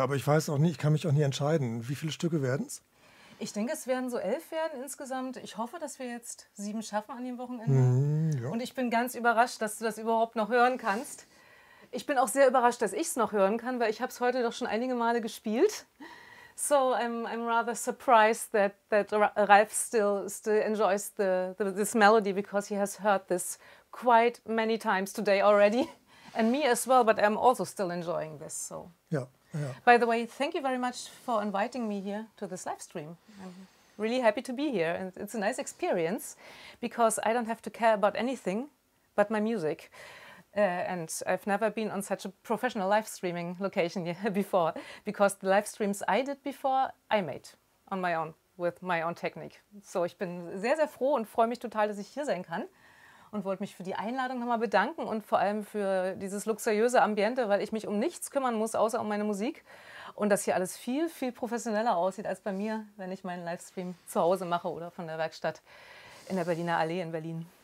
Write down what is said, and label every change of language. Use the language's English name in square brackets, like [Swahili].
[German] Aber ich weiß auch nicht, ich kann mich auch nie entscheiden. Wie viele Stücke werden es? Ich denke, es werden so 11 werden insgesamt. Ich hoffe, dass wir jetzt 7 schaffen an dem Wochenende. Und ich bin ganz überrascht, dass du das überhaupt noch hören kannst. Ich bin auch sehr überrascht, dass ich es noch hören kann, weil ich habe es heute doch schon einige Male gespielt. [English] So I'm rather surprised that Ralph still enjoys this melody, because he has heard this quite many times today already. And me as well, but I'm also still enjoying this. So. Ja. By the way, thank you very much for inviting me here to this live stream. I'm really happy to be here, and it's a nice experience, because I don't have to care about anything but my music. And I've never been on such a professional live streaming location before, because the live streams I did before, I made on my own, with my own technique. [German] So ich bin sehr, sehr froh und freue mich total, dass ich hier sein kann und wollte mich für die Einladung nochmal bedanken und vor allem für dieses luxuriöse Ambiente, weil ich mich um nichts kümmern muss, außer um meine Musik, und dass hier alles viel, viel professioneller aussieht als bei mir, wenn ich meinen Livestream zu Hause mache oder von der Werkstatt in der Berliner Allee in Berlin.